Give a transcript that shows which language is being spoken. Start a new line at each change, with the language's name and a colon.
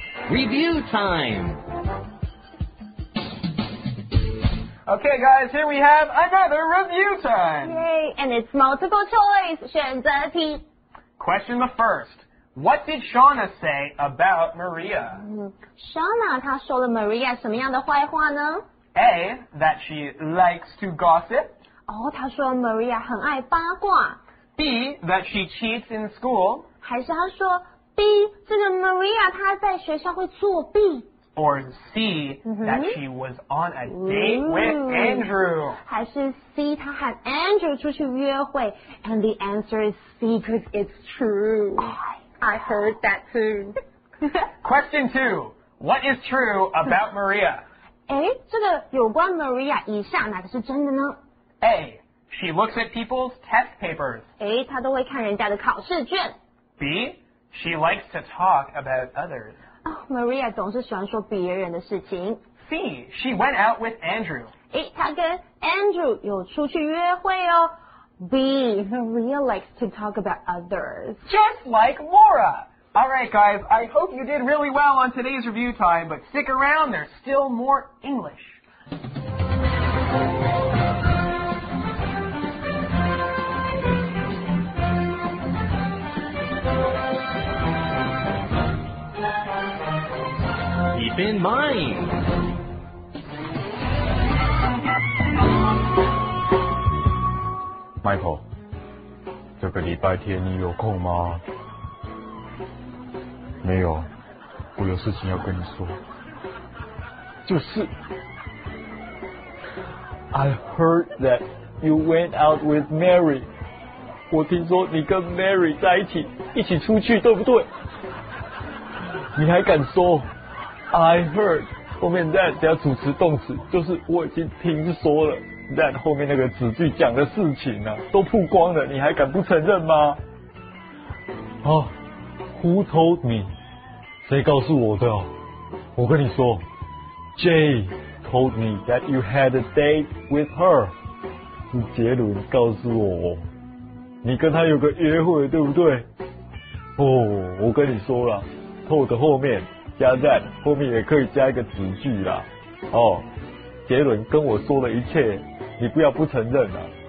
English: Review time. Okay, guys, here we have another review time. Yay, and it's multiple choice.
Chinese: 选择题.
English: Question the first. What did Shauna say about Maria?
Chinese: Shauna, 她说了 Maria 什么样的坏话呢?
English: A, that she likes to gossip.
Chinese: 她说 Maria 很爱八卦.
English: B, that she cheats in school.
Chinese: 还是她说B, 这个 Maria 她在学校会作弊。
English: Or C,、that she was on a date with Andrew.
Chinese: 还是 C, 她和 Andrew 出去约会。
English: And the answer is C, because it's true. I heard that too. Question 2. What is true about Maria?
Chinese: 这个有关 Maria 以下哪个是真的呢?
English: A, she looks at people's test papers.
Chinese: 她都会看人家的考试卷。
English: B, She likes to talk about others.
Chinese: Oh, Maria 总是喜欢说别人的事情。
English: See, she went out with Andrew.
Chinese: 诶，她跟 Andrew 有出去约会哦。
English: B, Maria likes to talk about others. Just like Laura. Alright guys, I hope you did really well on today's review time, but stick around, there's still more English. Keep in mind.
Chinese: Michael, 这个礼拜天你有空吗？没有，我有事情要跟你说。就是
English: I heard that you went out with Mary.
Chinese: 我听说你跟 Mary 在一起出去，对不对？你还敢说
English: I heard
Chinese: 后面 that 加主词动词，就是我已经听说了 that 后面那个子句讲的事情啊，都曝光了，你还敢不承认吗？啊 ，
English: Who told me？
Chinese: 谁告诉我的？我跟你说
English: ，Jay told me that you had a date with her。
Chinese: 是杰伦告诉我，你跟他有个约会，对不对？哦，我跟你说了 ，told 后面加 that， 后面也可以加一个子句啦。哦，杰伦跟我说的一切，你不要不承认啦。